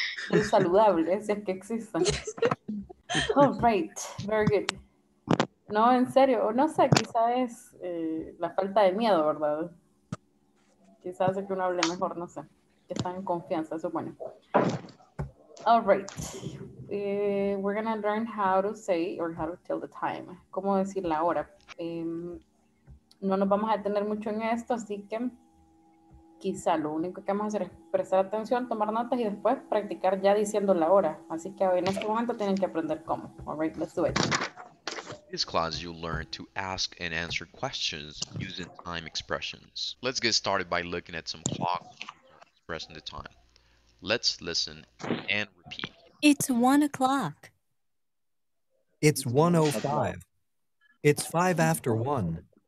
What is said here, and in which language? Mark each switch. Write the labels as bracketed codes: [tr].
[es] Es saludable, si es que existen. [en] All right, very good. [es] No, en serio, no sé, quizás es la falta de miedo, ¿verdad? Quizás hace que uno hable mejor, no sé. Que están en confianza, eso es bueno. [en] All right. We're going to learn how to say or how to tell the time. [es] ¿Cómo decir la hora? No nos vamos a detener mucho en esto, así que quizá lo único que vamos a hacer es prestar atención, tomar notas y después practicar ya diciendo la hora. Así que en este momento tienen que aprender cómo. [en] All right, let's do it. In this class, you'll learn to ask and answer questions using time expressions. Let's get started by looking at some clock expressing the time. Let's listen and repeat. It's 1 o'clock. It's 1:05. It's 1:05.